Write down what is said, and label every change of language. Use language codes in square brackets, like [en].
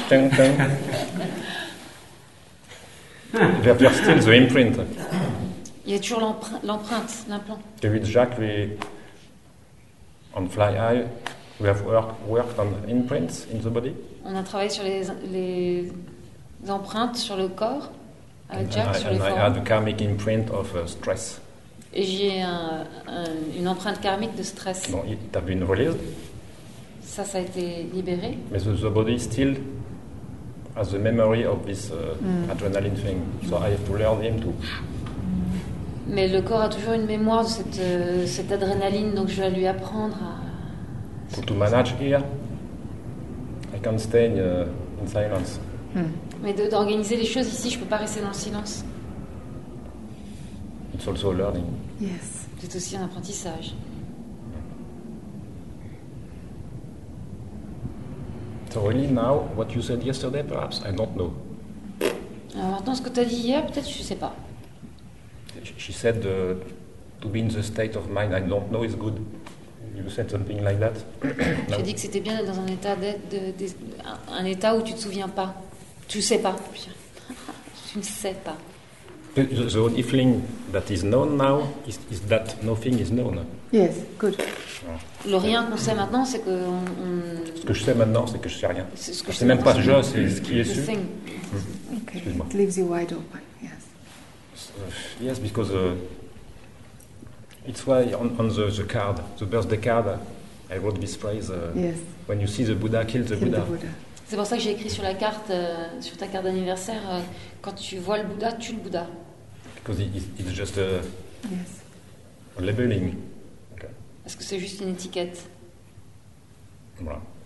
[en] There's still the imprint. [fr] Il y a toujours l'empreinte, l'implant. [en] David Jacques, on Fly Eye, we have worked on imprints in the body. [fr] On a travaillé sur les empreintes sur le corps avec Jacques sur les formes. [en] And I had a karmic imprint of stress. [fr] Et j'ai une empreinte karmique de stress. Bon, t'as vu une release. Ça a été libéré. Mais [en] the body still has the memory of this adrenaline thing. So I have to learn him to. [fr] Mais le corps a toujours une mémoire de cette adrénaline, donc je vais lui apprendre à. [en] To manage here. I can't stay in silence. Mm. [fr] Mais d'organiser les choses ici, je peux pas rester dans le silence. [en] It's also a learning. Yes. [fr] C'est aussi un apprentissage. [en] So really now, what you said yesterday, perhaps, I don't know. [fr] Alors maintenant, ce que tu as dit hier, peut-être, je ne sais pas. [en] She said, to be in the state of mind, I don't know, is good. You said something like that. [fr] Tu as dit que c'était bien d'être dans un état un état où tu ne te souviens pas. Tu ne sais pas. Tu ne sais pas. [en] The only thing that is known now is that nothing is known. Yes, good. [fr] Le rien qu'on sait maintenant, c'est que. Ce que je sais maintenant, c'est que je sais rien. C'est même pas je, c'est ce qui est su. Mm-hmm. [en] Okay. It leaves you wide open, yes. Yes, because it's why on the card, the birthday card, I wrote this phrase. Yes. When you see the Buddha, kill the Buddha. [fr] C'est pour ça que j'ai écrit sur la carte, sur ta carte d'anniversaire, quand tu vois le Bouddha, tue le Bouddha. [en] Because it's just a labeling. Okay. [fr] Est-ce que c'est juste une étiquette? Voilà.